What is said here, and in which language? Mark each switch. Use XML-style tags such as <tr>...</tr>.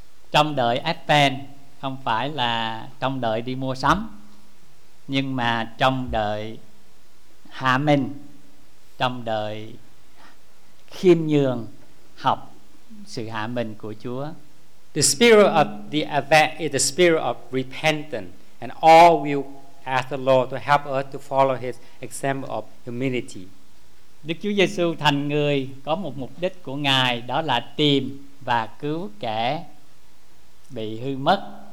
<vi>Trong đợi Advent không phải là trong đợi đi mua sắm, nhưng mà trong đợi hạ mình, trong đợi khiêm nhường học sự hạ mình của Chúa.</vi> <en>The spirit of the Advent is the spirit of repentance, and all will ask the Lord to help us to follow His example of humility.</en> <vi>Đức Chúa Giê-xu thành người có một mục đích của Ngài, đó là tìm và cứu kẻ bị hư mất.</vi>